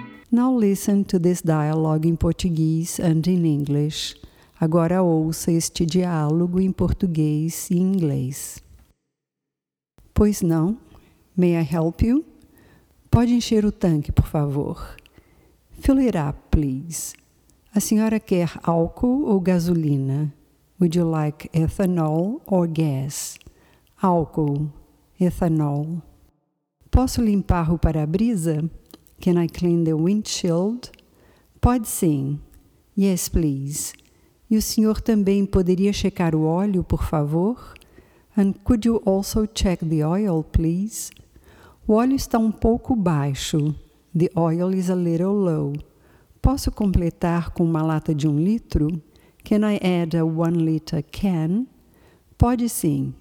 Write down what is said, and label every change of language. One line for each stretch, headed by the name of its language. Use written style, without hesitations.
English: Now listen to this dialogue in Portuguese and in English.
Portuguese: Agora ouça este diálogo em português e inglês. Pois não?
English: May I help you?
Portuguese: Pode encher o tanque, por favor.
English: Fill it up, please.
Portuguese: A senhora quer álcool ou gasolina?
English: Would you like ethanol or gas?
Portuguese: Álcool.
English: Ethanol.
Portuguese: Posso limpar o para-brisa?
English: Can I clean the windshield?
Portuguese: Pode sim.
English: Yes, please.
Portuguese: E o senhor também poderia checar o óleo, por favor?
English: And could you also check the oil, please?
Portuguese: O óleo está um pouco baixo.
English: The oil is a little low.
Portuguese: Posso completar com uma lata de 1 litro?
English: Can I add a 1 liter can?
Portuguese: Pode sim.